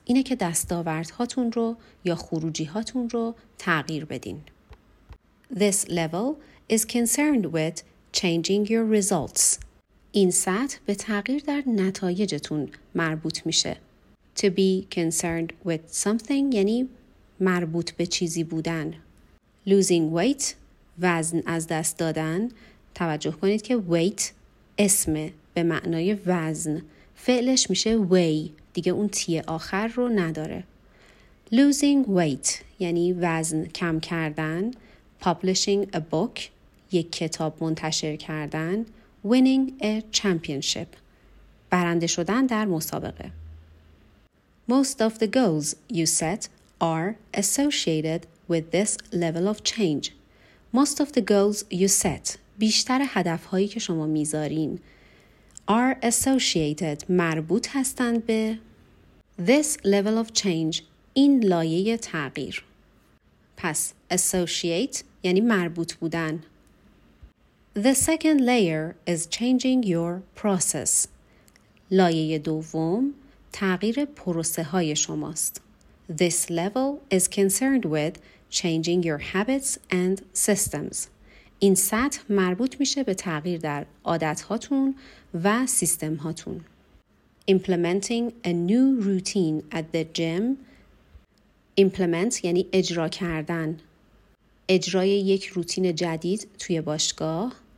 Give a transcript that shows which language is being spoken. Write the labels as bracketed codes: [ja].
[fa] اینه که دستاوردهاتون رو یا خروجیهاتون رو تغییر بدین. [en] This level is concerned with changing your results. [fa] این سطح به تغییر در نتایجتون مربوط میشه. [en] To be concerned with something [fa] یعنی مربوط به چیزی بودن. [en] Losing weight, [fa] وزن از دست دادن. توجه کنید که weight اسمه. به معنای وزن فعلش میشه weigh، دیگه اون تی آخر رو نداره. [en] Losing weight [fa] یعنی وزن کم کردن. [en] Publishing a book [fa] یک کتاب منتشر کردن. [en] Winning a championship [fa] برنده شدن در مسابقه. [en] Most of the goals you set are associated with this level of change. Most of the goals you set [fa] بیشتر هدفهایی که شما میذارین [en] are associated [fa] مربوط هستند به [en] this level of change [fa] این لایه تغییر. پس associate یعنی مربوط بودن. [en] The second layer is changing your process. [fa] لایه دوم تغییر پروسه های شماست. [en] This level is concerned with changing your habits and systems. [fa] این سطح مربوط میشه به تغییر در عادت هاتون و سیستم هاتون. [en] Implementing a new routine at the gym. [fa] Implement یعنی اجرا کردن. اجرای یک روتین جدید توی باشگاه.